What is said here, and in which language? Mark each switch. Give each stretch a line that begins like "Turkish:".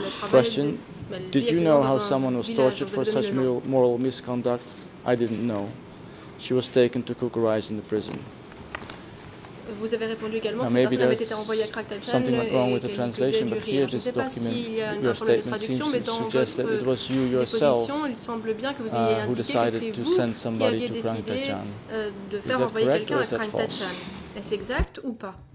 English: Question, did you know how someone was tortured for such moral misconduct? I didn't know. She was taken to cook rice in the prison.
French: Vous avez répondu également que la personne avait été envoyée à Krang Tachan.
English: Something went wrong with the translation, but here this document, your statement seems to suggest that it was you yourself who decided to send somebody to Krang Tachan. Is that correct or is that false?
French: Est-ce exact ou pas?